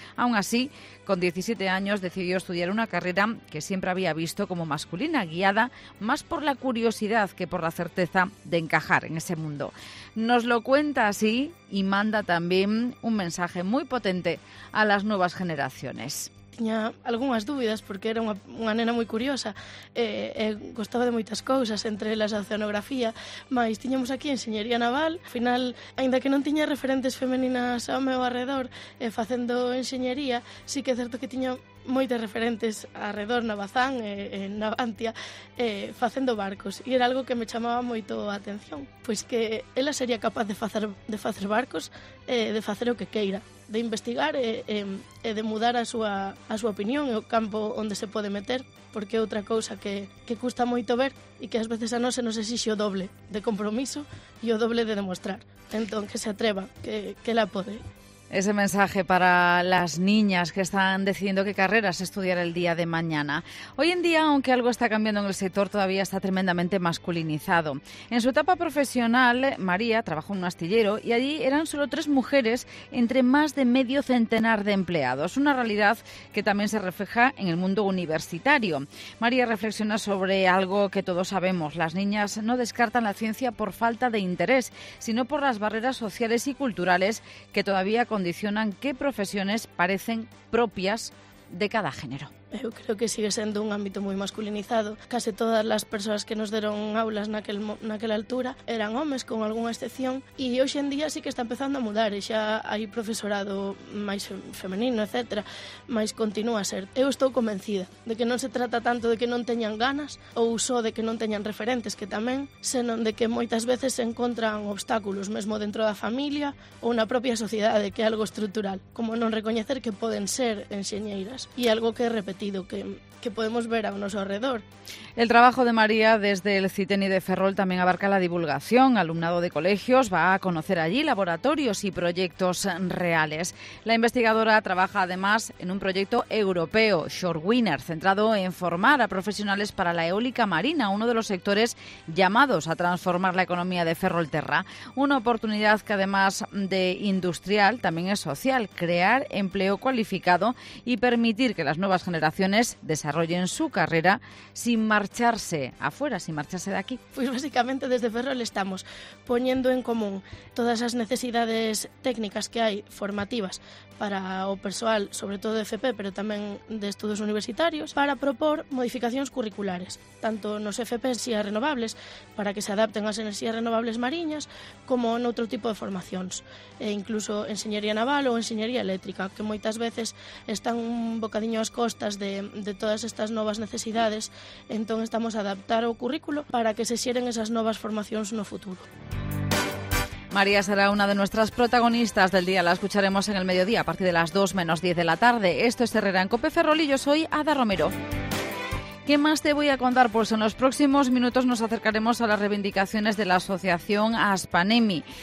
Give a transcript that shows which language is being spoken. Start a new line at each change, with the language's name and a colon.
Spanish: Aún así, con 17 años decidió estudiar una carrera que siempre había visto como masculina, guiada más por la curiosidad que por la certeza de encajar en ese mundo. Nos lo cuenta así y manda también un mensaje muy potente a las nuevas generaciones.
Galician: Tiña algunhas dúbidas porque era unha nena moi curiosa e gostaba de moitas cousas, entre elas a oceanografía, mas tiñamos aquí enxeñería naval. Ao final, aínda que non tiña referentes femeninas ao meu arredor facendo enxeñería, sí que é certo que tiña moitas referentes arredor na Bazán e na Navantia facendo barcos, e era algo que me chamaba moito a atención, pois que ela sería capaz de facer barcos, de facer o que queira, de investigar e de mudar a súa opinión e o campo onde se pode meter, porque outra cousa que custa moito ver e que ás veces a non se nos exixe o doble de compromiso e o doble de demostrar. Entón, que se atreva, que la pode.
Spanish: Ese mensaje para las niñas que están decidiendo qué carreras estudiar el día de mañana. Hoy en día, aunque algo está cambiando en el sector, todavía está tremendamente masculinizado. En su etapa profesional, María trabajó en un astillero y allí eran solo 3 mujeres entre más de medio centenar de empleados. Una realidad que también se refleja en el mundo universitario. María reflexiona sobre algo que todos sabemos. Las niñas no descartan la ciencia por falta de interés, sino por las barreras sociales y culturales que todavía condicionan qué profesiones parecen propias de cada género.
Galician: Eu creo que sigue sendo un ámbito moi masculinizado. Case todas as persoas que nos deron aulas naquela altura eran homes, con algunha excepción, e hoxe en día sí que está empezando a mudar, e xa hai profesorado máis femenino, etc., mas continúa a ser. Eu estou convencida de que non se trata tanto de que non teñan ganas ou só de que non teñan referentes, que tamén, senón de que moitas veces se encontran obstáculos, mesmo dentro da familia ou na propia sociedade, que é algo estrutural, como non recoñecer que poden ser enxeñeiras, e algo que repetir que podemos ver a noso alrededor.
Spanish: El trabajo de María desde el CITENI de Ferrol también abarca la divulgación. Alumnado de colegios va a conocer allí laboratorios y proyectos reales. La investigadora trabaja además en un proyecto europeo, Shorewinner, centrado en formar a profesionales para la eólica marina, uno de los sectores llamados a transformar la economía de Ferrolterra. Una oportunidad que además de industrial, también es social, crear empleo cualificado y permitir que las nuevas generaciones desarrollen su carrera sin marcharse afuera, sin marcharse de aquí. Pues básicamente desde Ferrol estamos poniendo en común todas las necesidades técnicas que hay, formativas,
Galician: para o persoal, sobre todo de FP, pero tamén de estudos universitarios, para propor modificacións curriculares, tanto nos FP en xeas renovables, para que se adapten ás enerxías renovables mariñas, como noutro tipo de formacións, e incluso enxeñería naval ou enxeñería eléctrica, que moitas veces están un bocadiño ás costas de todas estas novas necesidades. Entón estamos a adaptar o currículo para que se xeren esas novas formacións no futuro.
Spanish: María será una de nuestras protagonistas del día. La escucharemos en el mediodía a partir de las 2 menos 10 de la tarde. Esto es Herrera en COPE Ferrol y yo soy Ada Romero. ¿Qué más te voy a contar? Pues en los próximos minutos nos acercaremos a las reivindicaciones de la asociación Aspanemi.